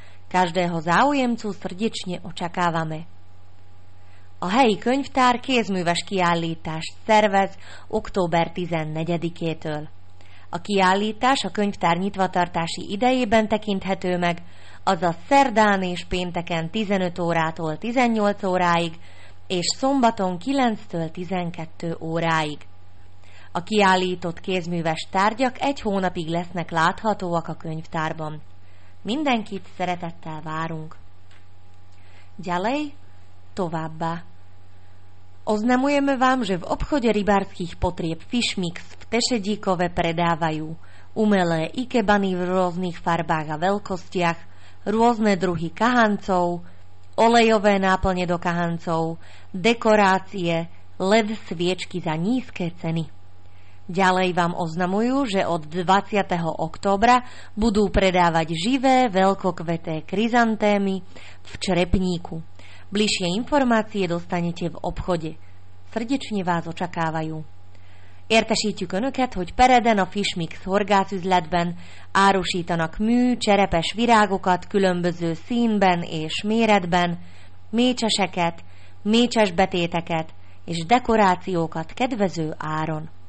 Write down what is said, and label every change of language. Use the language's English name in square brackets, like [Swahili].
[Slovak] Každého záujemcu srdečne očakávame. [Hungarian] A helyi könyvtár kézműves kiállítást szervez október 14-től. A kiállítás a könyvtár nyitvatartási idejében tekinthető meg, azaz szerdán és pénteken 15 órától 18 óráig, és szombaton 9-től 12 óráig. A kiállított kézműves tárgyak egy hónapig lesznek láthatóak a könyvtárban. Mindenkit szeretettel várunk. [Slovak] Ďalej, [Hungarian] továbbá. [Slovak] Oznamujeme vám, že v obchode rybárskych potrieb Fishmix v Tešedíkove predávajú umelé ikebany v rôznych farbách a veľkostiach, rôzne druhy kahancov, olejové náplne do kahancov, dekorácie, LED sviečky za nízke ceny. Ďalej vám oznamujú, že od 20. októbra budú predávať živé, veľkokveté kryzantémy v črepníku. Bližšie informácie dostanete v obchode. Srdečne vás očakávajú. [Hungarian] Értesítjük önöket, hogy pereden a Fishmix horgászüzletben árusítanak mű, cserepes virágokat különböző színben és méretben, mécseseket, mécses betéteket és dekorációkat kedvező áron.